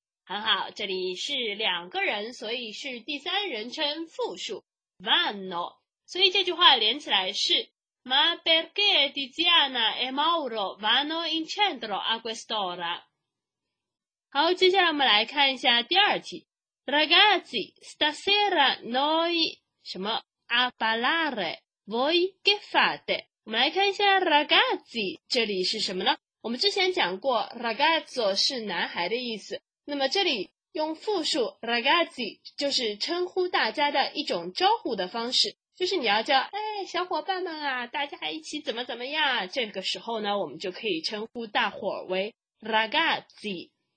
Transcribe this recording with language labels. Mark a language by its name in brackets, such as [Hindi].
[Chinese] 很好，这里是两个人，所以是第三人称复数 vanno， 所以这句话连起来是 [Italian] Ma perché Tiziana e Mauro vanno in centro a quest'ora。 [Chinese] 好，接下来我们来看一下第二题。 [Italian] Ragazzi, stasera noi, 什么 a ballare, voi che fate? [Chinese] 我们来看一下 ragazzi, 这里是什么呢？我们之前讲过 ragazzo 是男孩的意思，那么这里用复数 ragazzi 就是称呼大家的一种招呼的方式，就是你要叫，哎，小伙伴们啊，大家一起怎么怎么样，这个时候呢，我们就可以称呼大伙为 ragazzi。